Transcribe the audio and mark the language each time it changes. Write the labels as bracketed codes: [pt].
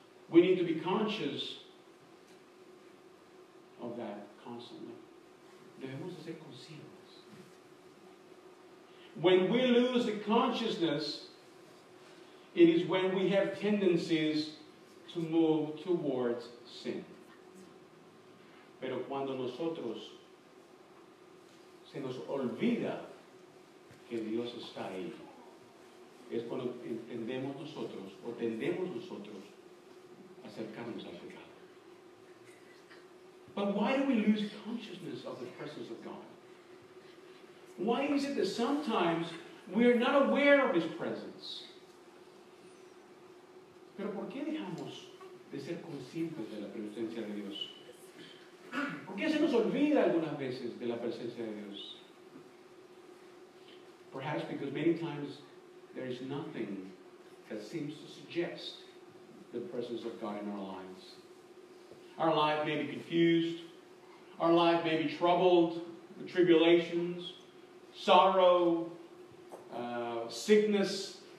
[en] We need to be conscious of that constantly. [es] Debemos de ser conscientes. [en] When we lose the consciousness, it is when we have tendencies to move towards sin. [es] Pero cuando nosotros se nos olvida que Dios está ahí, es cuando entendemos nosotros o tendemos nosotros acercarnos al pecado. [en] But why do we lose consciousness of the presence of God? Why is it that sometimes we are not aware of his presence? [es] ¿Pero por qué dejamos de ser conscientes de la presencia de Dios? ¿Por qué se nos olvida algunas veces de la presencia de Dios? [en] Perhaps because many times there is nothing that seems to suggest the presence of God in our lives. Our life may be confused. Our life may be troubled with tribulations, sorrow, sickness.